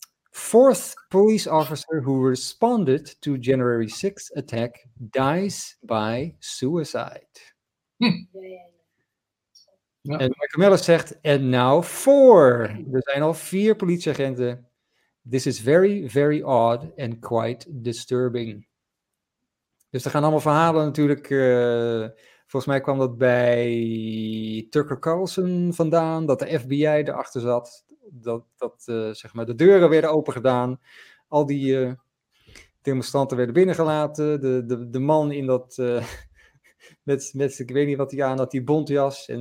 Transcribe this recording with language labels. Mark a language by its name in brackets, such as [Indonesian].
[English] Fourth police officer who responded to January 6th attack dies by suicide. [Dutch] En Michael Mellis zegt, [English] and now four. [Dutch] Er zijn al 4 politieagenten. [English] This is very, very odd and quite disturbing. [Dutch] Dus er gaan allemaal verhalen natuurlijk... Volgens mij kwam dat bij Tucker Carlson vandaan, dat de FBI erachter zat, dat de deuren werden opengedaan, al die demonstranten werden binnengelaten, de man in dat, met ik weet niet wat hij aan had, die bontjas.